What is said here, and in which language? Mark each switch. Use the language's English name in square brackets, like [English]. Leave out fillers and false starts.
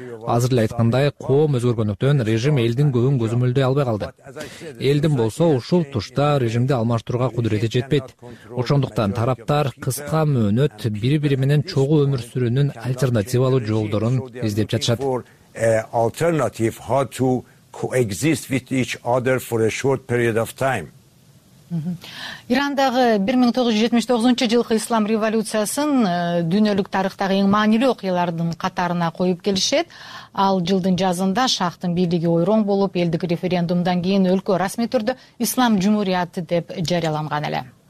[Kyrgyz] Азыр эле айткандай, коом өзгөргөндүктөн режим элдин көбүн көзөмөлдөй албай калды. Элдин болсо ушул тушта режимди алмаштырууга кудурети жетпейт. Ошондуктан тараптар кыска мөөнөт бири бири менен чогуу өмүр сүрүүнүн альтернативалуу жолдорун издеп жатышат. [English] Alternative how to coexist with each other for a short period of time. [Kyrgyz] Ирандагы 1979 жылкы ислам революциясын дүйнөлүк тарыхтагы эң маанилүү окуялардын катарына коюп келишет. Ал жылдын жазында шахтын бийлиги ойрон болуп, элдик референдумдан кийин өлкө расмий түрдө ислам жумурияты деп жарыяланган эле.